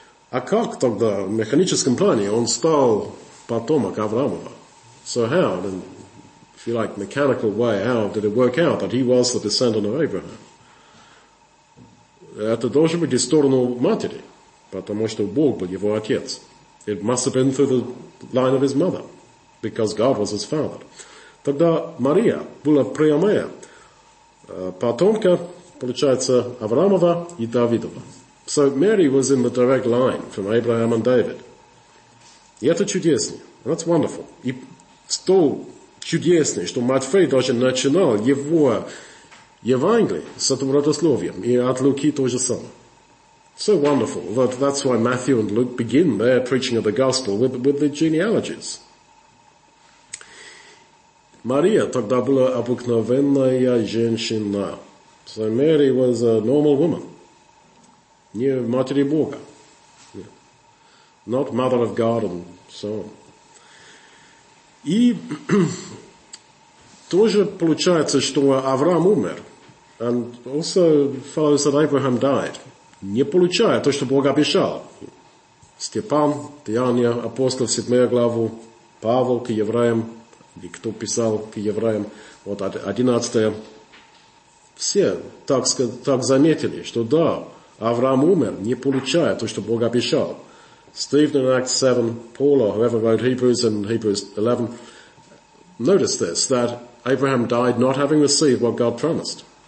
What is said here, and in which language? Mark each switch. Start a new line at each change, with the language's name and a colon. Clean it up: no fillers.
Russian: А как тогда в механическом плане он стал потомок Авраамова?
English: So how, in, if you like, mechanical way, how did it work out that he was the descendant of Abraham?
Russian: Это должен быть в сторону матери, потому что Бог был его отец.
English: It must have been through the line of his mother, because God was his father.
Russian: Тогда Мария была прямая потомка, получается, Авраамова и Давидова.
English: So Mary was in the direct line from Abraham and David.
Russian: И это чудесно.
English: That's wonderful.
Russian: И столь чудесно, что Матфей даже начинал его Евангелие с этого родословия. И от Луки то же самое.
English: So wonderful. That's why Matthew and Luke begin their preaching of the gospel with the genealogies.
Russian: Мария тогда была обыкновенная женщина.
English: So Mary was a normal woman.
Russian: Не матери Бога.
English: Yeah. Not mother of God and so on.
Russian: И тоже получается, что Авраам умер.
English: And also follows that Abraham died.
Russian: Не получая то, что Бог обещал. Степан, Деяния, апостол, 7 главу, Павел к евреям, и кто писал к евреям, вот 11. Все так заметили, что да, Авраам умер, не получая то, что Бог обещал.
English: Stephen in Acts 7, Paul, or whoever wrote Hebrews in Hebrews 11, notice this, that Abraham died not having received what God promised.